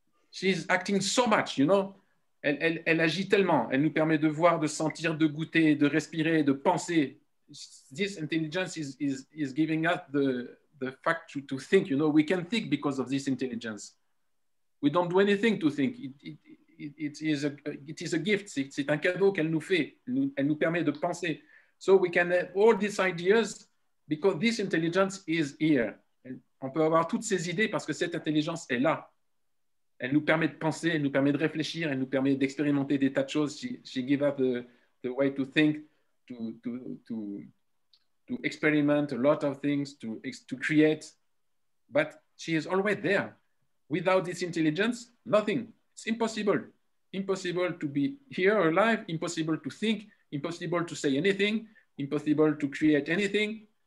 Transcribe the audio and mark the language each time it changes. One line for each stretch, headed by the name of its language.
English: She is acting so much, you know.
French: Elle agit tellement. Elle nous permet de voir, de sentir, de goûter, de respirer, de penser.
English: This intelligence is giving us the fact to think, you know. We can think because of this intelligence. We don't do anything to think. It is a gift.
French: C'est un cadeau qu'elle nous fait. Elle nous permet de penser.
English: So we can have all these ideas because this intelligence is here.
French: On peut avoir toutes ces idées parce que cette intelligence est là. Elle nous permet de penser, elle nous permet de réfléchir, elle nous permet d'expérimenter des tas de choses.
English: She gives us the way to think, to experiment a lot of things, to create. But she is always there. Without this intelligence, nothing. It's impossible. Impossible to be here alive, impossible to think, impossible to say anything, impossible to create anything.